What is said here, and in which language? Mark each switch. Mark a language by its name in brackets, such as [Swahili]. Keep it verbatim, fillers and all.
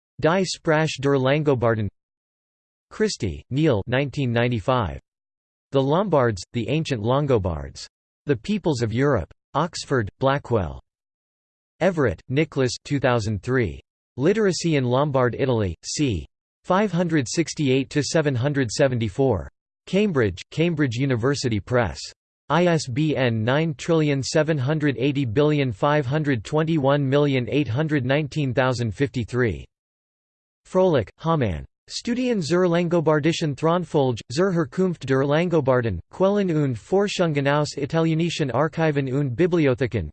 [German] Die Sprache der Langobarden. [English] Christie, Neil. nineteen ninety-five. The Lombards, the Ancient Longobards. The Peoples of Europe. Oxford, Blackwell. Everett, Nicholas. two thousand three. Literacy in Lombard Italy, c. five sixty-eight to seven seventy-four. Cambridge, Cambridge University Press. I S B N nine seven eight zero five two one eight one nine zero five three. Froelich, Hamann. [German] Studien zur Langobardischen Thronfolge, zur Herkunft der Langobarden, Quellen und Forschungen aus italienischen Archiven und Bibliotheken.